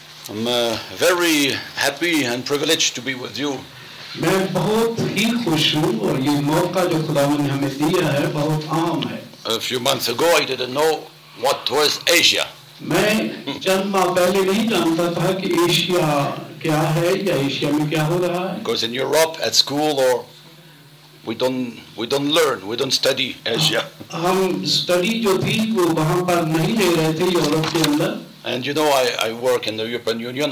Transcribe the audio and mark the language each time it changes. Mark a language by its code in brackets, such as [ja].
[en] I'm very happy and privileged to be with you [hi] मैं बहुत ही खुश हूं और ये मौका जो खुदावन ने हमें दिया है बहुत आम है [en] A few months ago I didn't know what was Asia [hi] मैं चंद माह पहले नहीं जानता था कि एशिया क्या है या एशिया में क्या हो रहा है [en] Because in Europe at school or we don't learn we don't study Asia [hi] हम स्टडी जो थी वो वहां पर नहीं ले रहे थे यूरोप के अंदर [en] And you know, I work in the European Union.